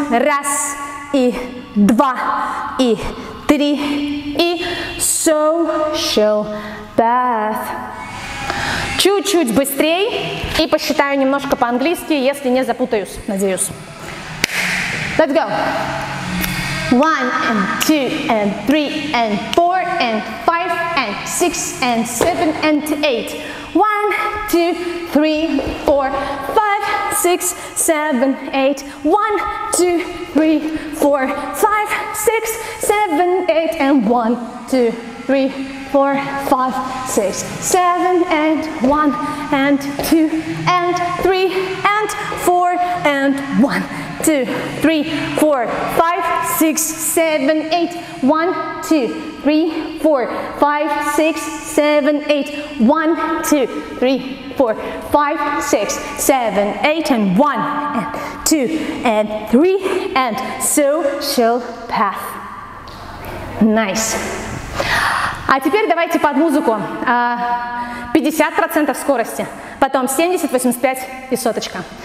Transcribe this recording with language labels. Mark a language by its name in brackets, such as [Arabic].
[Russian] Раз, и два, и три, и social path. Чуть-чуть быстрее и посчитаю немножко по-английски, если не запутаюсь, надеюсь. [English] Let's go. One and two and three and four and five and six and seven and eight. One, two, three, four, five, six, seven, eight. One, two, three, four, five, six, seven, eight. And one, two, three, four, five, six, seven, and one, and two, and three, and four, and one, two, three, four, five, six, seven, eight, one, two, three, four, five, six, seven, eight, one, two, three, four, five, six, seven, eight, and one, and two, and three, and social path. Nice. [Russian] А теперь давайте под музыку 50% скорости, потом 70, 85 и соточка.